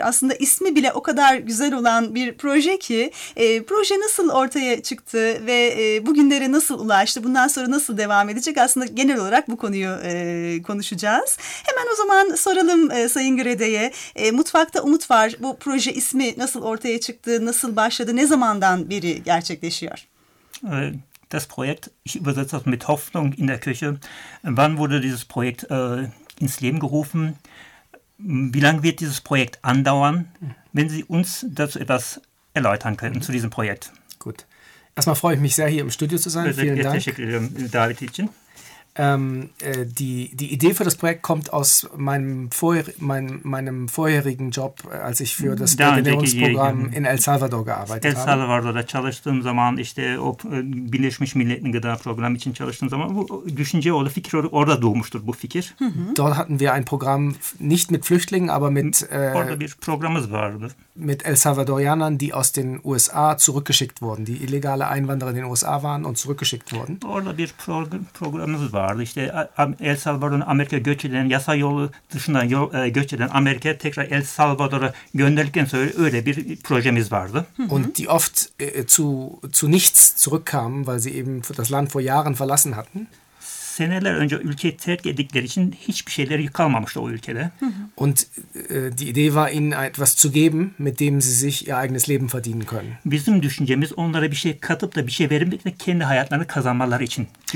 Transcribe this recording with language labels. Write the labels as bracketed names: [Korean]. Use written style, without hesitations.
[Turkish] Aslında ismi bile o kadar güzel olan bir proje ki proje nasıl ortaya çıktı ve bugünlere nasıl ulaştı? Bundan sonra nasıl devam edecek? Aslında genel olarak bu konuyu konuşacağız. Hemen o zaman soralım Sayın Grede'ye. Mutfakta Umut Var. Bu proje ismi nasıl ortaya çıktı? Nasıl başladı? Ne zamandan beri gerçekleşiyor? Evet. [German] Das Projekt, ich übersetze das mit Hoffnung in der Küche. Wann wurde dieses Projekt ins Leben gerufen? Wie lange wird dieses Projekt andauern? Wenn Sie uns dazu etwas erläutern könnten zu diesem Projekt. Gut. Erstmal freue ich mich sehr, hier im Studio zu sein. Vielen Dank. David Hitchin. Die Idee für das Projekt kommt aus meinem vorherigen Job, als ich für das Regenerierungsprogramm in El Salvador gearbeitet habe. [Turkish] El Salvador'da çalıştığım zaman işte o Birleşmiş Milletler Gıda Programı için çalıştığım zaman bu düşünce oldu, fikir orada doğmuştur bu fikir. [German] Dort hatten wir ein Programm nicht mit Flüchtlingen, aber mit [Turkish] orada bir programımız vardı. [German] Mit El Salvadorianern, die aus den USA zurückgeschickt wurden, die illegale Einwanderer in den USA waren und zurückgeschickt wurden. [Turkish] Orada bir programımız vardı. İşte El Salvador'un Amerika göç eden yasa yolu dışından göç eden Amerika'ya tekrar El Salvador'a gönderirken sonra öyle bir projemiz vardı. [German] Und die oft zu nichts zurückkamen, weil sie eben das Land vor Jahren verlassen hatten. [Turkish] Seneler önce ülkeyi terk ettikleri için hiçbir şeyleri kalmamıştı o ülkede. [German] Und die Idee war ihnen etwas zu geben, mit dem sie sich ihr eigenes Leben verdienen können. [Turkish] Bizim düşüncemiz onlara bir şey katıp da bir şey verip de kendi hayatlarını kazanmaları için.